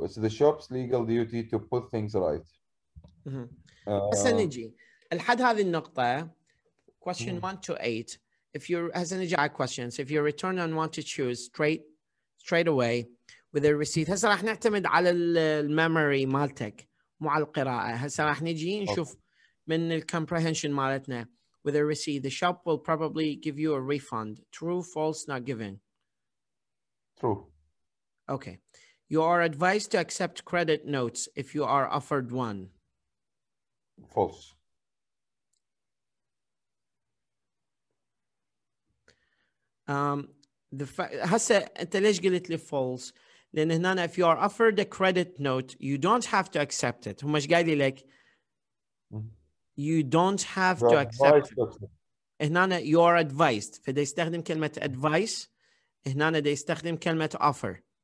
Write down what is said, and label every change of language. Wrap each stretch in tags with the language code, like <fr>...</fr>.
<en>It's the shop's legal duty to put things right. Mm-hmm. Hasanji,</en> <ar>الحد هذه النقطة</ar> <en>question 1 to 8. If you Hasanji, I questions. If you return unwanted shoes straight away. With a receipt.</en> <ar>هسا راح نعتمد على الميموري مالتك مو على القراءة. هسا راح نجي نشوف من الكمبريهنشن مالتنا.</ar> <en>With a receipt, the shop will probably give you a refund. True, false, not given. True. Okay. You are advised to accept credit notes if you are offered one. False.</en> <ar>هسا انت ليش قلت لي false؟ لأن هنا</ar> <en>if you are offered a credit note, you don't have to accept it.</en> <ar>هم مش قايل لي لك</ar> <en>you don't have to accept it.</en> <ar>هنا</ar> <en>you are advised.</en> <ar>فده يستخدم كلمة advice. هنا ده يستخدم كلمة offer.</ar>